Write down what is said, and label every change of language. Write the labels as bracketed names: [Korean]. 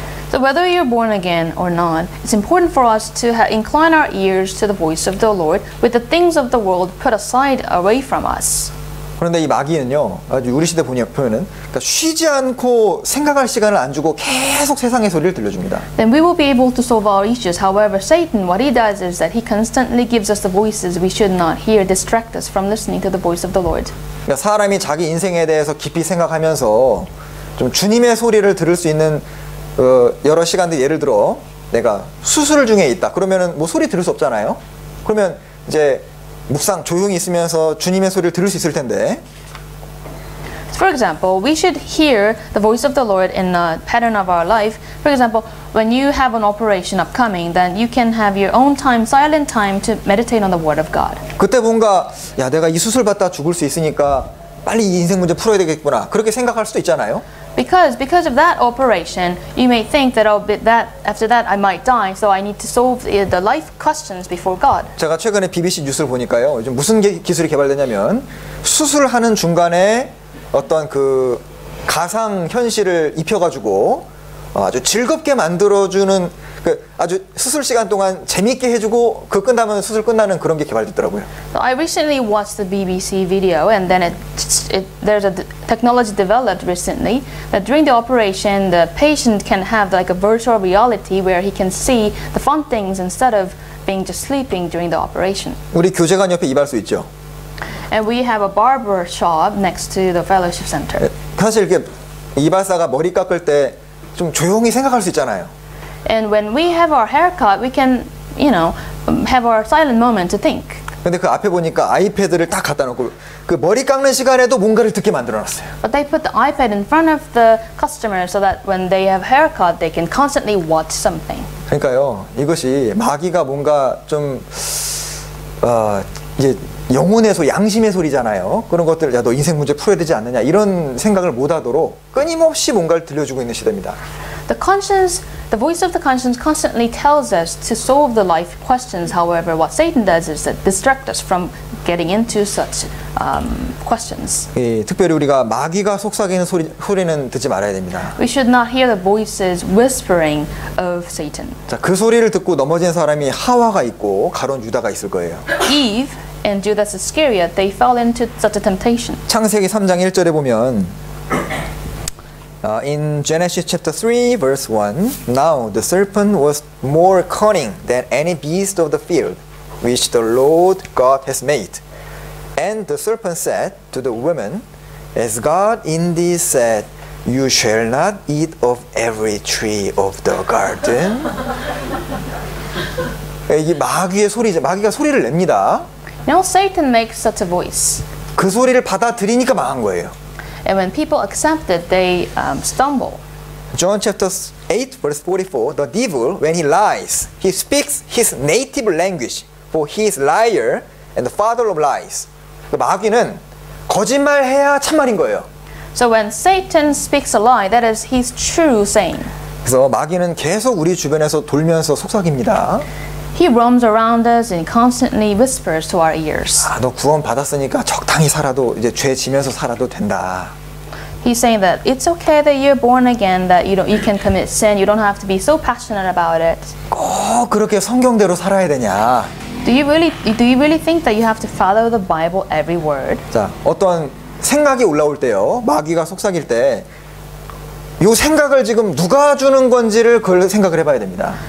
[English] So whether you're born again or not, it's important for us to incline our ears to the voice of the Lord with the things of the world put aside away from us. [Korean] 그런데 이 마귀는요, 아주 우리 시대 표현은 그러니까 쉬지 않고 생각할 시간을 안 주고 계속 세상의 소리를 들려줍니다. [English] Then we will be able to solve our issues. However, Satan, what he does is that he constantly gives us the voices we should not hear, distract us from listening to the voice of the Lord. [Korean] 그러니까 사람이 자기 인생에 대해서 깊이 생각하면서 좀 주님의 소리를 들을 수 있는 여러 시간들 예를 들어 내가 수술 중에 있다. 그러면은 뭐 소리 들을 수 없잖아요. 그러면 이제 묵상 조용히 있으면서 주님의 소리를 들을 수 있을 텐데. [English] For example, we should hear the voice of the Lord in the pattern of our life. For example, when you have an operation upcoming, then you can have your own time, silent time to meditate on the word of God. [Korean] 그때 뭔가 야 내가 이 수술 받다 죽을 수 있으니까 빨리 이 인생 문제 풀어야 되겠구나. 그렇게 생각할 수도 있잖아요. [English] Because of that operation, you may think that after that I might die, so I need to solve the life questions before God. [Korean] 제가 최근에 BBC 뉴스를 보니까요, 요즘 무슨 기술이 개발되냐면 수술하는 중간에 어떤 그 가상 현실을 입혀가지고 아주 즐겁게 만들어주는 그 아주 수술 시간 동안 재미있게 해주고 그 끝나면 수술 끝나는 그런 게 개발됐더라고요. [English] So I recently watched the BBC video and then there's a technology developed recently that during the operation the patient can have like a virtual reality where he can see the fun things instead of being just sleeping during the operation. [Korean] 우리 교제관 옆에 이발소 있죠. [English] And we have a barber shop next to the fellowship center. [Korean] 사실 이게 이발사가 머리 깎을 때 좀 조용히 생각할 수 있잖아요. [English] And when we have our haircut, we can, you know, have our silent moment to think. [Korean] 근데 그 앞에 보니까 아이패드를 딱 갖다 놓고 그 머리 깎는 시간에도 뭔가를 듣게 만들어 놨어요. [English] But they put the iPad in front of the customer so that when they have haircut, they can constantly watch something. [Korean] 그러니까요, 이것이 마귀가 뭔가 좀 이제 영혼에서 양심의 소리잖아요. 그런 것들 야 너 인생 문제 풀어야 되지 않느냐 이런 생각을 못 하도록 끊임없이 뭔가를 들려주고 있는 시대입니다. [English] The conscience, the voice of the conscience constantly tells us to solve the life questions. However, what Satan does is that distract us from getting into such questions. [Korean] 예, 특별히 우리가 마귀가 속삭이는 소리는 듣지 말아야 됩니다. [English] We should not hear the voices whispering of Satan. [Korean] 자, 그 소리를 듣고 넘어진 사람이 하와가 있고 가론 유다가 있을 거예요. [English] Eve and Judas Iscariot, they fell into such a temptation. [Korean] 창세기 3장 1절에 보면 [English] In Genesis chapter 3, verse 1, Now the serpent was more cunning than any beast of the field, which the Lord God has made. And the serpent said to the woman, As God indeed said, You shall not eat of every tree of the garden. [Korean] 이게 마귀의 소리죠. 마귀가 소리를 냅니다. [English] Now Satan makes such a voice. [Korean] 그 소리를 받아들이니까 망한 거예요. [English] And when people accept it, they stumble. John chapter 8, verse 44, The devil, when he lies, he speaks his native language, for he is liar and the father of lies. [Korean] 그 마귀는 거짓말해야 참말인 거예요. [English] So when Satan speaks a lie, that is his true saying. [Korean] 그래서 마귀는 계속 우리 주변에서 돌면서 속삭입니다. [English] He roams around us and constantly whispers to our ears. [Korean] 아, 너 구원 받았으니까 적당히 살아도 이제 죄 지면서 살아도 된다. [English] He's saying that it's okay that you're born again, that you know you can commit sin, you don't have to be so passionate about it. [Korean] 꼭 그렇게 성경대로 살아야 되냐? [English] Do you really think that you have to follow the Bible every word? [Korean] 자, 어떤 생각이 올라올 때요, 마귀가 속삭일 때. 이 생각을 지금 누가 주는 건지를 그걸 생각을 해봐야 됩니다.